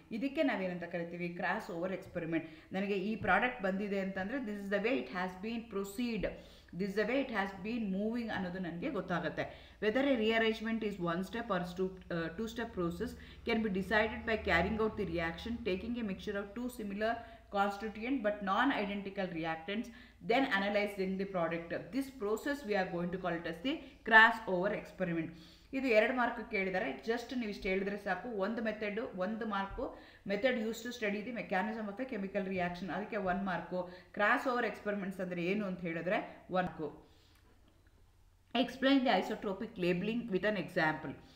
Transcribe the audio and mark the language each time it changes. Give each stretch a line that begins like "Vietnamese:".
Kannada: ಇದಕ್ಕೆ ನಾವೇನಂತ ಕರಿತೀವಿ, ಕ್ರಾಸ್ ಓವರ್ ಎಕ್ಸ್ಪೆರಿಮೆಂಟ್. ನನಗೆ ಈ ಪ್ರಾಡಕ್ಟ್ ಬಂದಿದೆ ಅಂತಂದರೆ
English: this is the way it has been proceed, this the way it has been moving
Kannada: ಅನ್ನೋದು ನನಗೆ ಗೊತ್ತಾಗುತ್ತೆ.
English: Whether a rearrangement is 1 step or 2 step process can be decided by carrying out the reaction, taking a mixture of 2 similar constituent but non-identical reactants, then analyzing the product. This process we are going to call it as the crossover experiment.
Kannada: ಇದು 2 mark ಕೇಳಿದ್ದಾರೆ. Just ನೀವು ಇಷ್ಟು ಹೇಳಿದರೆ ಸಾಕು, ಒಂದು mark
English: method use to study the mechanism of a chemical reaction,
Kannada: ಅದಕ್ಕೆ 1 marks. Cross over experiments ಅಂದರೆ ಏನು ಅಂತ ಹೇಳಿದ್ರೆ 1 marks.
English: Explain the isotropic labelling with an example.